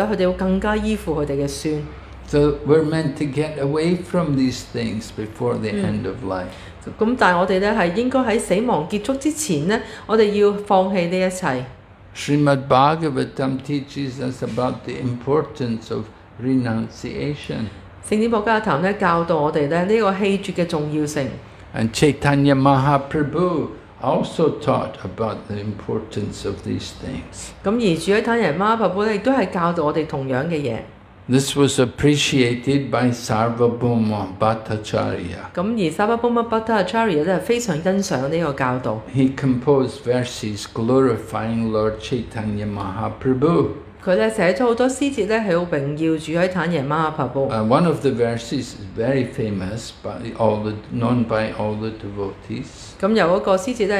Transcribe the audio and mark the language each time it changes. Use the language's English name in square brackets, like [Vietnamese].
[Chinese] 他们有子女，他们很依附他们的子女。当他们有孙的时候，他们会更加依附他们的孙。 [English] So we're meant to get away from these things before the end of life. [Chinese] 但我们应该在死亡结束之前，我们要放弃这一切。 [English] Srimad Bhagavatam teaches us about the importance of renunciation. [Chinese] 聖典《博加塔》教導我們這個棄絕的重要性。 [English] And Chaitanya Mahaprabhu also taught about the importance of these things. [Chinese] 而主要坦耶馬哈普布也教導我們同樣的事。 [English] This was appreciated by Sarvabhauma Bhattacharya. [Chinese] 而Sarvabhauma Bhattacharya非常欣賞這個教導。 [English] He composed verses glorifying Lord Chaitanya Mahaprabhu. [Chinese] 他寫了很多詩節，榮耀主坦耶馬哈普布。 [English] One of the verses is very famous, known by all the devotees.